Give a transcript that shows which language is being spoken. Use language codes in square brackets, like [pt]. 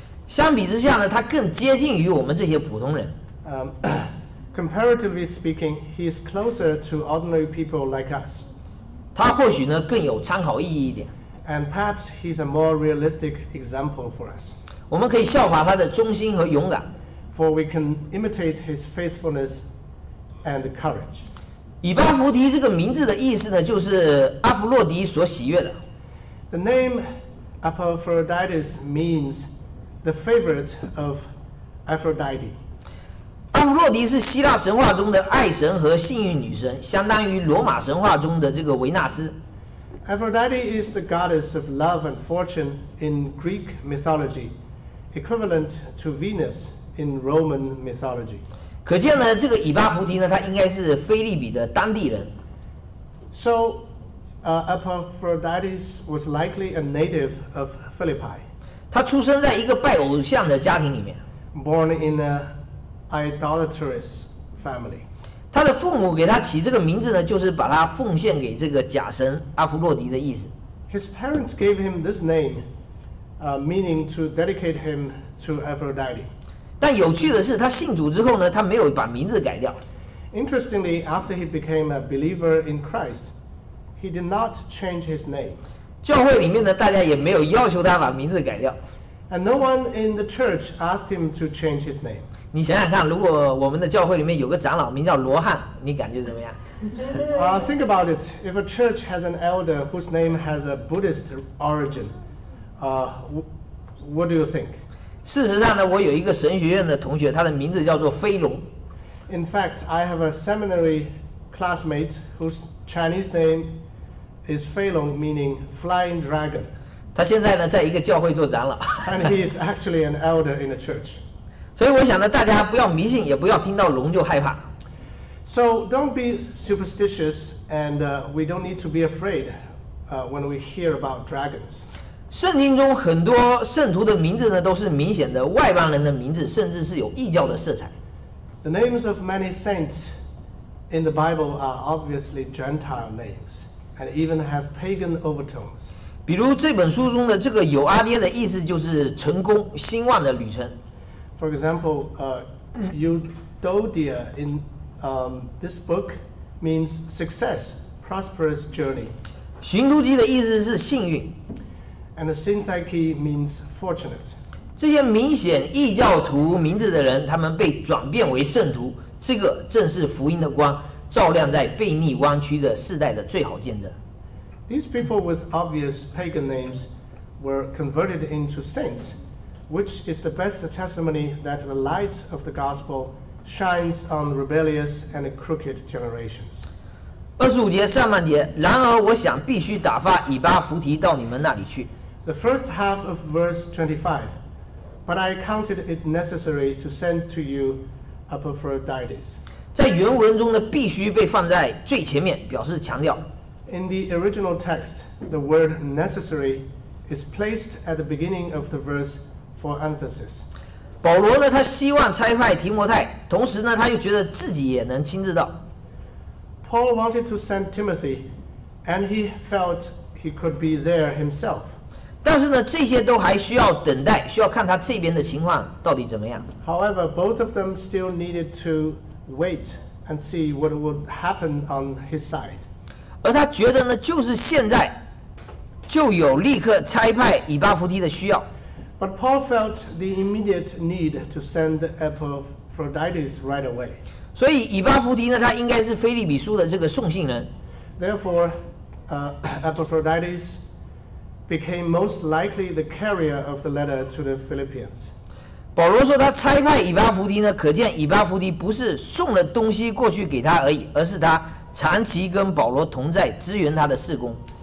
[zh] 相比之下呢，他更接近于我们这些普通人。 [en] Comparatively speaking, he is closer to ordinary people like us. [zh] 他或许呢更有参考意义一点。 [en] And perhaps he's a more realistic example for us. [zh] 我们可以效法他的忠心和勇敢。 [en] For we can imitate his faithfulness and courage. [zh] 以巴弗提这个名字的意思呢，就是阿弗洛迪所喜悦的。 [en] The name Aphrodites means the favorite of Aphrodite. [zh] 阿弗洛迪是希腊神话中的爱神和幸运女神，相当于罗马神话中的这个维纳斯。 [en] Aphrodite is the goddess of love and fortune in Greek mythology, equivalent to Venus in Roman mythology. [zh] 可见呢，这个以巴弗提呢，他应该是腓力比的当地人。 [en] So, Epaphroditus was likely a native of Philippi. [zh] 他出生在一个拜偶像的家庭里面。 [en] Born in an idolatrous family. [zh] 他的父母给他起这个名字呢，就是把他奉献给这个假神阿弗洛迪的意思。 [en] His parents gave him this name, meaning to dedicate him to Aphrodite. [zh] 但有趣的是，他信主之后呢，他没有把名字改掉。 [en] Interestingly, after he became a believer in Christ,He did not change his name. [zh] 教会里面呢，大家也没有要求他把名字改掉。 [en] And no one in the church asked him to change his name. [zh] 你想想看，如果我们的教会里面有个长老名叫罗汉，你感觉怎么样？ [en] Think about it. If a church has an elder whose name has a Buddhist origin, what do you think? [zh] 事实上呢，我有一个神学院的同学，他的名字叫做飞龙。 [en] In fact, I have a seminary classmate whose Chinese name is Fei Long, meaning flying dragon. [zh] 他现在呢，在一个教会做长老。 [en] And he is actually an elder in the church. [zh] 所以我想呢，大家不要迷信，也不要听到龙就害怕。 [en] So don't be superstitious, and we don't need to be afraid when we hear about dragons. [zh] 圣经中很多圣徒的名字呢，都是明显的外邦人的名字，甚至是有异教的色彩。 [en] The names of many saints. In the Bible are obviously Gentile names, and even have pagan overtones. [zh] 比如这本书中的这个有阿爹的意思就是成功、兴旺的旅程。 [en] For example, Eudodia in this book means success, prosperous journey. [zh] 寻都记的意思是幸运。 [en] And Syntyche means fortunate. [zh] 这些明显异教徒名字的人，他们被转变为圣徒。这个正是福音的光，照亮在悖逆弯曲的世代的最好见证。 [en] These people with obvious pagan names were converted into saints, which is the best testimony that the light of the gospel shines on rebellious and crooked generations. [zh] 二十五节上半节，然而我想必须打发以巴弗提到你们那里去。 [en] The first half of verse 25, but I counted it necessary to send to you. Aphrodites. [zh] 在原文中的必须被放在最前面，表示强调。 [en] In the original text, the word necessary is placed at the beginning of the verse for emphasis. [zh] 保罗呢，他希望差派提摩太，同时呢，他又觉得自己也能亲自到。 [en] Paul wanted to send Timothy, and he felt he could be there himself. [zh] 但是呢，这些都还需要等待，需要看他这边的情况到底怎么样。 [en] However, both of them still needed to wait and see what would happen on his side. [zh] 而他觉得呢，就是现在就有立刻差派以巴弗提的需要。 [en] But Paul felt the immediate need to send Epaphroditus right away. [zh] 所以以巴弗提呢，他应该是腓立比书的这个送信人。 [en] Therefore, Epaphroditus became most likely the carrier of the letter to the Philippians. [zh] 保罗说他差派以巴弗提呢，可见以巴弗提不是送了东西过去给他而已，而是他长期跟保罗同在，支援他的事工。